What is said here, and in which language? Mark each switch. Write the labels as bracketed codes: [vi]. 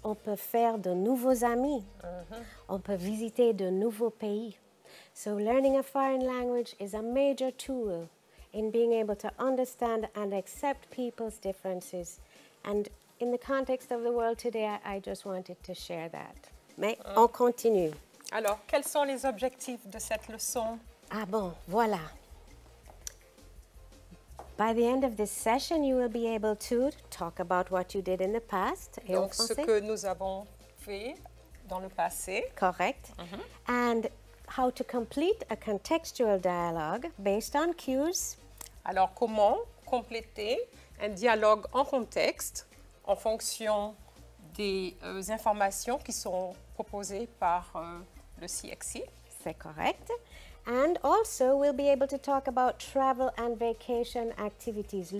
[fr] On peut faire de nouveaux amis. Mm-hmm. On peut visiter de nouveaux pays. [en] So learning a foreign language is a major tool in being able to understand and accept people's differences. And in the context of the world today, I just wanted to share that. [fr] Mais on continue. Alors, quels sont les objectifs de cette leçon? Ah bon, voilà. [en] By the end of this session, you will be able to talk about what you did in the past. [fr] Donc, ce que nous avons fait dans le passé. Correct. Mm-hmm. [en] And how to complete a contextual dialogue based on cues. [fr] Alors, comment compléter un dialogue en contexte en fonction des informations qui sont proposées par le CSEC. C'est correct. [en] And also, we'll be able to talk about travel and vacation activities.